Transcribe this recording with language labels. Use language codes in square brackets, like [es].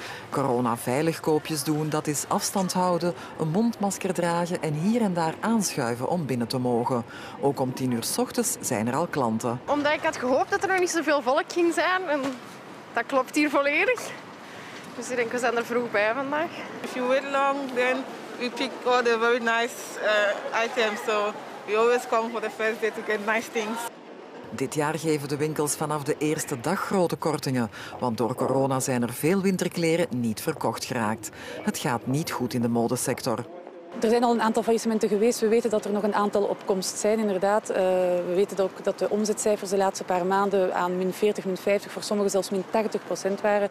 [nl] Corona-veilig koopjes doen, dat is afstand houden, een mondmasker dragen en hier en daar aanschuiven om binnen te mogen. Ook om 10 uur 's ochtends zijn er al klanten. Omdat ik had gehoopt dat er nog niet zoveel volk ging zijn. En dat klopt hier volledig. Dus ik denk, we zijn er vroeg bij vandaag. [en] If you wait long, then we pick all the very nice items. So we always come for the first day to get nice things. [nl] Dit jaar geven de winkels vanaf de eerste dag grote kortingen. Want door corona zijn er veel winterkleren niet verkocht geraakt. Het gaat niet goed in de modesector. Er zijn al een aantal faillissementen geweest. We weten dat er nog een aantal op komst zijn, inderdaad. We weten ook dat de omzetcijfers de laatste paar maanden aan min 40, min 50, voor sommigen zelfs min 80% waren.